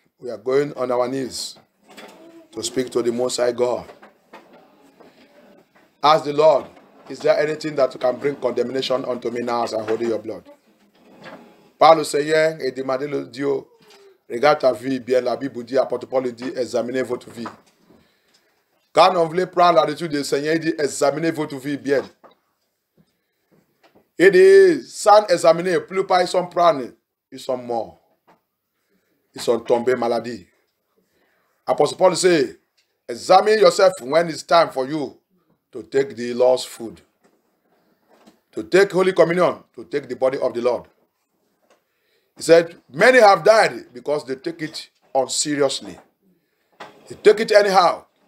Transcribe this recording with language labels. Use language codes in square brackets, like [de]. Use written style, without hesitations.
[en] We are going on our knees to speak to the Most High God. Ask the Lord. Is there anything that can bring condemnation unto me now as I hold your blood? [fr] Parle au Seigneur et demandez le Dieu. Regarde ta vie bien. La Bible dit, apôtre Paul dit, examinez votre vie. Quand on voulait prendre l'attitude du Seigneur, il dit, examinez votre vie bien. Il dit, sans examiner, plus pas ils sont prêts, ils sont morts. Ils sont tombés maladie. Apôtre Paul dit, [en] examine yourself when it's time for you. To take the Lord's food. To take Holy Communion. To take the body of the Lord. He said, many have died because they take it unseriously. They take it anyhow.